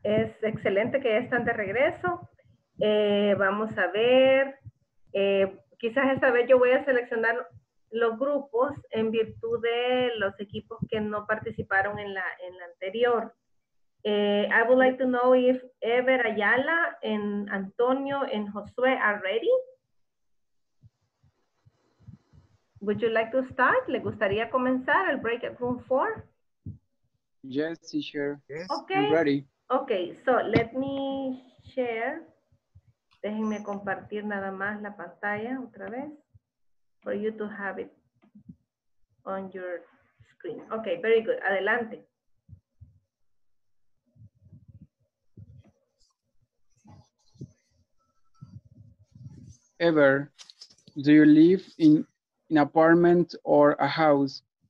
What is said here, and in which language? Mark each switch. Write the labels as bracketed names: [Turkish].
[Spanish] Es excelente que ya están de regreso. Vamos a ver. Quizás esta vez yo voy a seleccionar los grupos en virtud de los equipos que no participaron en la anterior. [English] I would like to know if Ever Ayala and Antonio and Josué are ready. Would you like to start? [Spanish] ¿Le gustaría comenzar el breakout room 4? [English] Yes, teacher. Yes, okay. I'm ready. Okay, so let me share. [Spanish] Déjenme compartir nada más la pantalla otra vez. [English] For you to have it on your screen. Okay, very good. Adelante. Ever, do you live in an apartment or a house?